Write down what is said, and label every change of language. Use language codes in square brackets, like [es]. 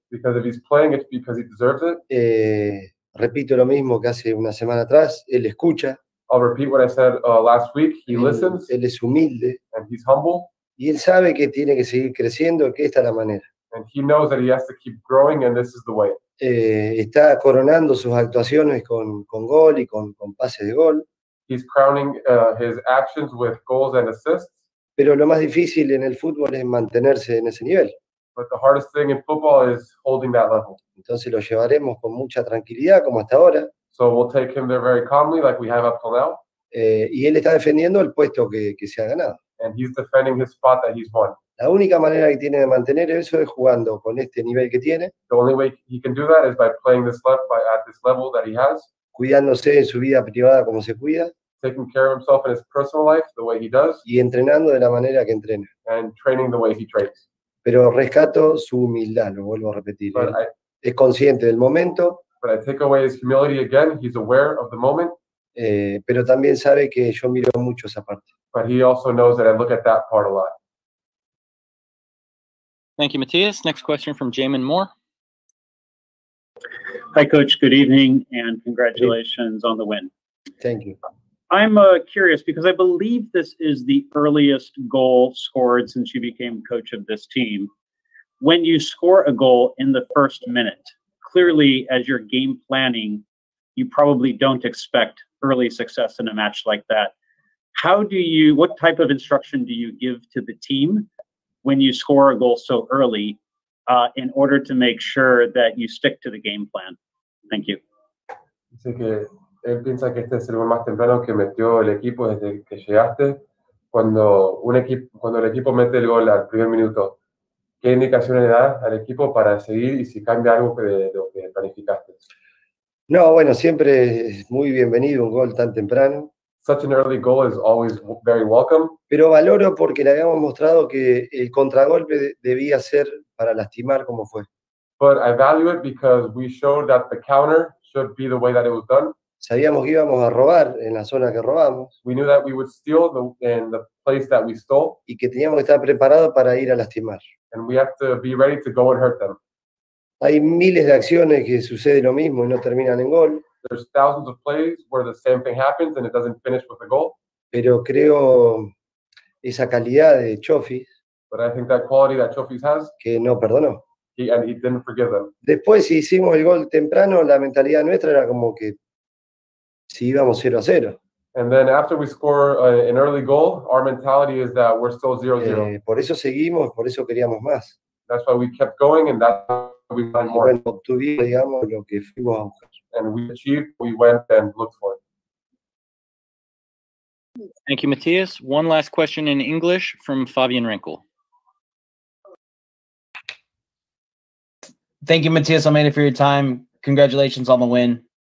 [en] Because if he's playing, it's because he deserves it. [es] Repito lo mismo que hace una semana atrás, él escucha. [en] I'll repeat what I said last week, he listens. [es] Él es humilde. [en] And he's humble. [es] Y él sabe que tiene que seguir creciendo, que esta es la manera. [en] And he knows that he has to keep growing and this is the way. [es] Está coronando sus actuaciones con gol y con pases de gol. [en] He's crowning his actions with goals and assists. [es] Pero lo más difícil en el fútbol es mantenerse en ese nivel. [en] But the hardest thing in football is holding that level. [es] Entonces lo llevaremos con mucha tranquilidad, como hasta ahora. [en] So we'll take him there very calmly, like we have up till now. [es] Y él está defendiendo el puesto que se ha ganado. [en] And he's defending his spot that he's won. [es] La única manera que tiene de mantener eso es jugando con este nivel que tiene. [en] The only way he can do that is by playing this left by at this level that he has. [es] Cuidándose en su vida privada como se cuida. [en] Taking care of himself in his personal life the way he does. [es] Y entrenando de la manera que entrena. [en] And training the way he trains. [es] pero rescato su humildad, lo vuelvo a repetir. Es consciente del momento. [en] But I take away his humility again. He's aware of the moment. [es] Pero también sabe que yo miro mucho esa parte. [en] But he also knows that I look at that part a lot. Thank you, Matias. Next question from Jamon Moore. Hi, Coach. Good evening and congratulations on the win. Thank you. I'm curious because I believe this is the earliest goal scored since you became coach of this team. When you score a goal in the first minute, clearly as you're game planning, you probably don't expect early success in a match like that. What type of instruction do you give to the team when you score a goal so early in order to make sure that you stick to the game plan? Thank you. [es] Así que él piensa que este es el gol más temprano que metió el equipo desde que llegaste. Cuando el equipo mete el gol al primer minuto, ¿qué indicaciones le da al equipo para seguir y si cambia algo de lo que planificaste? No, bueno, siempre es muy bienvenido un gol tan temprano. [en] Such an early goal is always very welcome. [es] Pero valoro porque le habíamos mostrado que el contragolpe debía ser para lastimar como fue. [en] But I value it because we showed that the counter should be the way that it was done. [es] Sabíamos que íbamos a robar en la zona que robamos. [en] We knew that we would steal in the place that we stole. [es] Y que teníamos que estar preparados para ir a lastimar. [en] And we have to be ready to go and hurt them. [es] Hay miles de acciones que sucede lo mismo y no terminan en gol. [en] There's thousands of plays where the same thing happens and it doesn't finish with a goal. [es] Pero creo esa calidad de Chofis. [en] But I think that quality that Chofis has. [es] Que no perdonó. [en] And he didn't forgive them. [es] Después, si hicimos el gol temprano, la mentalidad nuestra era como que si íbamos 0-0. [en] And then after we score an early goal, our mentality is that we're still 0-0. [es] Por eso seguimos, por eso queríamos más. [en] That's why we kept going and that's why we went more. [es] Bueno, obtuvimos, digamos, lo que fuimos a buscar. [en] And we achieved what we went and looked for. Thank you, Matias. One last question in English from Fabian Rinkel. Thank you, Matias Almeyda, for your time. Congratulations on the win.